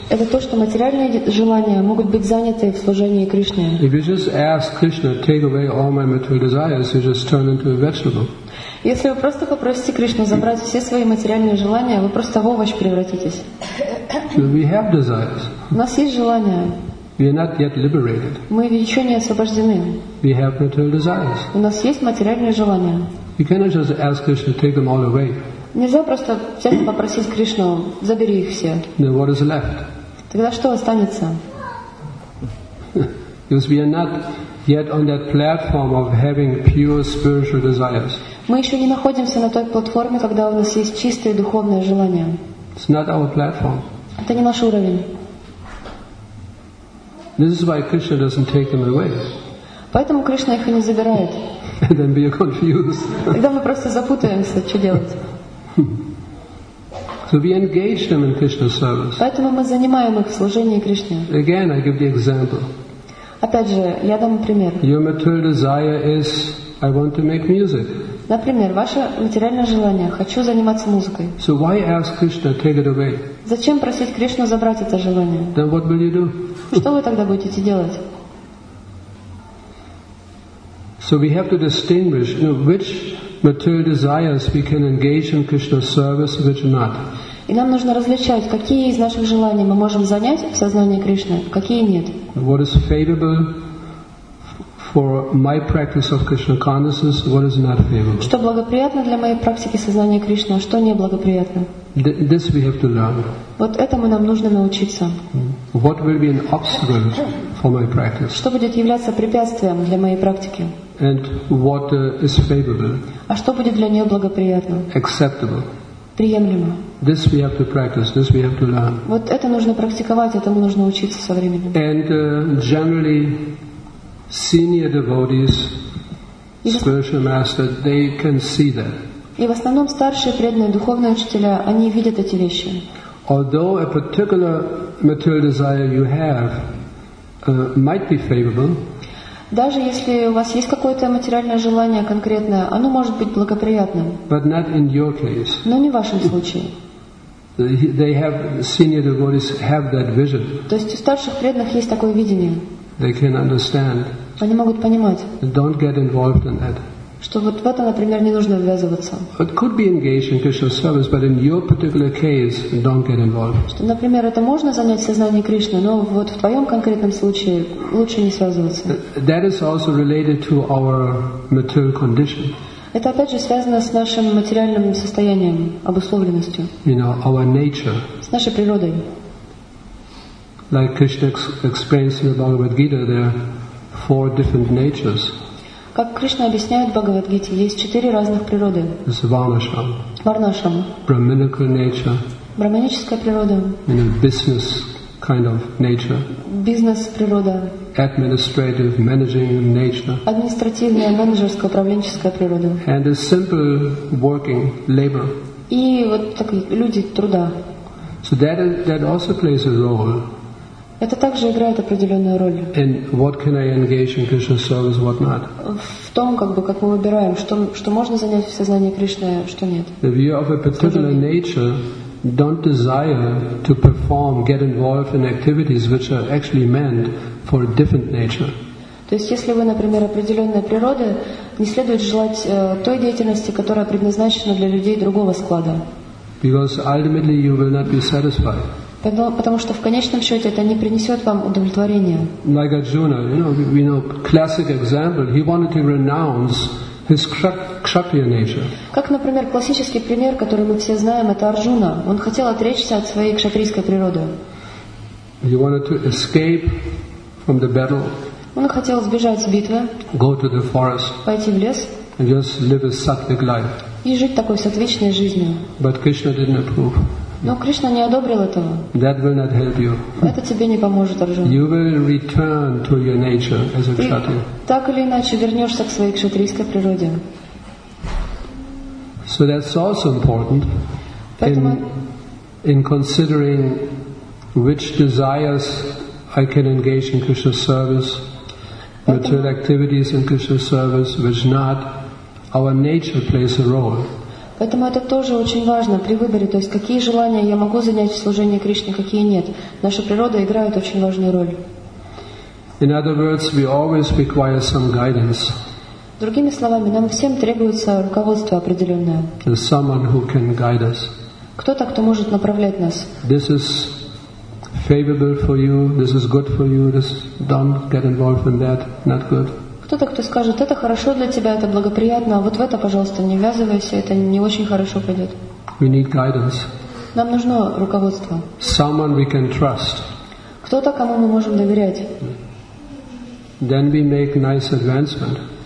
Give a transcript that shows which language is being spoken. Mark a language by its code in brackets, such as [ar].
[ru] Это то, что материальные желания могут быть заняты в служении Кришне. [en] If you just ask Krishna, take away all my material desires, you just turn into a vegetable. [ru] Если вы просто попросите Кришну забрать все свои материальные желания, вы просто в овощ превратитесь. [en] We have desires. [ru] У нас есть желания. [en] We are not yet liberated. [ru] Мы еще не освобождены. [en] We have material desires. [ru] У нас есть материальные желания. [en] You cannot just ask Krishna, take them all away. [ru] Нельзя просто взять и попросить Кришну, забери их все. [en] Then what is left? [ru] Тогда что останется? [en] Because we are not yet on that platform of having pure spiritual desires. [ru] Мы еще не находимся на той платформе, когда у нас есть чистые духовные желания. [en] It's not our platform. [ru] Это не наш уровень. [en] This is why Krishna doesn't take them away. [ru] Поэтому Кришна их и не забирает. [en] And then we are confused. [ru] Тогда мы просто запутаемся, что делать. [en] So we engage them in Krishna service. [ru] Поэтому мы занимаем их в служении Кришне. [en] Again, I give the example. [ru] Опять же, я дам пример. [en] Your material desire is I want to make music. [ru] Например, ваше материальное желание хочу заниматься музыкой. [en] So why ask Krishna take it away? [ru] Зачем просить Кришну забрать это желание? [en] Then what will you do? [ru] Что вы тогда будете делать? [en] So we have to distinguish, you know, which material desires we can engage in Krishna's service, which not. [ru] И нам нужно различать, какие из наших желаний мы можем занять в сознании Кришны, какие нет. [en] What is favorable for my practice of Krishna consciousness? What is not favorable? [ru] Что благоприятно для моей практики сознания Кришны, а что неблагоприятно? [en] This we have to learn. [ru] Вот этому нам нужно научиться. [en] What will be an obstacle for my practice? [ru] Что будет являться препятствием для моей практики? [en] And what is favorable? [ru] А что будет для нее благоприятно? [en] Acceptable. [ru] Приемлемо. [en] This we have to practice. This we have to learn. [ru] Вот это нужно практиковать, этому нужно учиться со временем. [en] And generally, senior devotees, spiritual master, they can see that. [ru] И в основном старшие преданные духовные учителя, они видят эти вещи. [en] Although a particular material desire you have might be favorable. [ru] Даже если у вас есть какое-то материальное желание конкретное, оно может быть благоприятным. [en] But not in your case. [ru] Но не в вашем случае. [en] They have, senior devotees have that vision. [ru] То есть у старших преданных есть такое видение. [en] They can understand. [ru] Они могут понимать. [en] Don't get involved in that. [ru] Что вот в это, например, не нужно ввязываться. [en] It could be engaged in Krishna service, but in your particular case, don't get involved. [ru] Что, например, это можно занять в сознании Кришны, но вот в твоем конкретном случае лучше не связываться. [en] That is also related to our material condition. [ru] Это опять же связано с нашим материальным состоянием, обусловленностью. [en] You know, our nature. [ru] С нашей природой. [en] Like Krishna explains in the Bhagavad Gita, there are four different natures. [ru] Как Кришна объясняет в Бхагавад-гите, есть четыре разных природы. Варнашрам. Варнашрам. [en] Brahminical nature. [ru] Брахманическая природа. [en] You know, business kind of nature. [ru] Бизнес-природа. [en] Administrative, managing nature. [ru] Административная, менеджерская, управленческая природа. [en] And a simple working labor. [ru] И вот такие люди труда. [en] So that also plays a role. [ru] Это также играет определенную роль. [en] And what can I engage in Krishna service, what not? [ru] В том, как бы, как мы выбираем, что можно занять в сознании Кришны, а что нет. [en] The view of a particular nature don't desire to perform, get involved in activities which are actually meant for a different nature. [ru] То есть, если вы, например, определенная природа, не следует желать той деятельности, которая предназначена для людей другого склада. [en] Because ultimately you will not be satisfied. [ru] Потому что в конечном счете это не принесет вам удовлетворения. [en] Like Arjuna, we know classic example. He wanted to renounce his kshatriya nature. [ru] Как, например, классический пример, который мы все знаем, это Арджуна. Он хотел отречься от своей кшатрийской природы. [en] He wanted to escape from the battle. [ru] Он хотел сбежать с битвы. [en] Go to the forest. [ru] Пойти в лес. [en] And just live a sattvic life. [ru] И жить такой сатвичной жизнью. [en] But Krishna didn't approve. [ru] Но Кришна не одобрил этого. [en] That will not help you. [ru] Это тебе не поможет, Арджуна. [en] You will return to your nature as a kshatriya. [ru] Так или иначе вернешься к своей кшатрийской природе. [en] So that's also important. [ru] Поэтому... [en] in considering which desires I can engage in Krishna's service, material activities in Krishna's service, which not, our nature plays a role. [ru] Поэтому это тоже очень важно при выборе, то есть какие желания я могу занять в служении Кришне, какие нет. Наша природа играет очень важную роль. [en] In other words, we always require some guidance. [ru] Другими словами, нам всем требуется руководство определенное. [en] There's someone who can guide us. [ru] Кто-то, кто может направлять нас. [en] This is favorable for you, this is good for you, this don't get involved in that, not good. [ru] Кто-то, кто скажет, это хорошо для тебя, это благоприятно, а вот в это, пожалуйста, не ввязывайся, это не очень хорошо пойдет. [en] We need guidance. [ru] Нам нужно руководство. [en] Someone we can trust. [ru] Кто-то, кому мы можем доверять. [en] Then we make nice advancement.